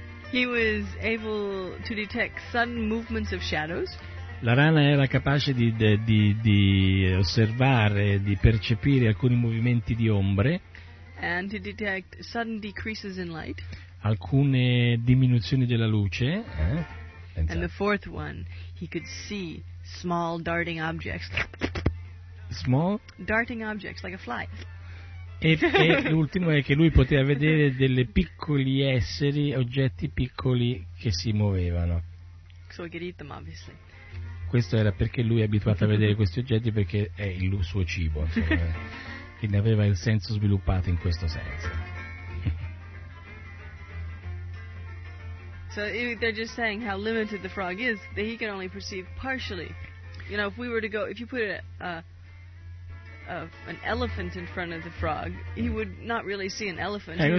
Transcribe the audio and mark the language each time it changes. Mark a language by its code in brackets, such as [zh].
[en] He was able to detect sudden movements of shadows. [it] La rana era capace di osservare, di percepire alcuni movimenti di ombre. [en] And to detect sudden decreases in light. [it] Alcune diminuzioni della luce. [en] And the fourth one, he could see small darting objects. Small? Darting objects, like a fly. [it] E l'ultimo è che lui poteva vedere delle piccoli esseri, oggetti piccoli che si muovevano. [en] So we could eat them, obviously. [it] Questo era perché lui è abituato a vedere questi oggetti, perché è il suo cibo, insomma, quindi aveva il senso sviluppato in questo senso. [en] So they're just saying how limited the frog is, that he can only perceive partially. You know, if we were to go, if you put it an elephant in front of the frog, he would not really see an elephant.